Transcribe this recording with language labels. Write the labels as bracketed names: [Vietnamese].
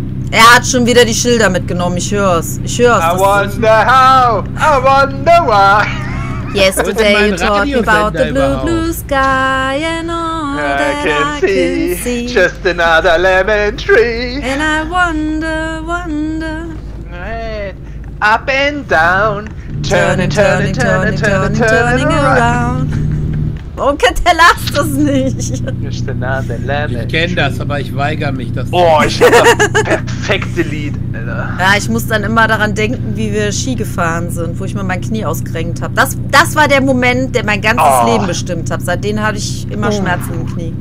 [German] Er hat schon wieder die Schilder mitgenommen, ich hör's. Ich hör's. [English] I wonder how, I wonder why. Yesterday you talked about the blue, blue sky and all I that can I see. Can see. Just another lemon tree. And I wonder, wonder. Right. Up and down, turning around. [German] Warum kennt der Lars das nicht? Ich kenne das, aber ich weigere mich, das. Oh, ich hab das perfekte Lied, Alter. Ja, ich muss dann immer daran denken, wie wir Ski gefahren sind, wo ich mir mein Knie ausgerenkt habe. Das war der Moment, der mein ganzes Leben bestimmt hat. Seitdem habe ich immer Schmerzen im Knie.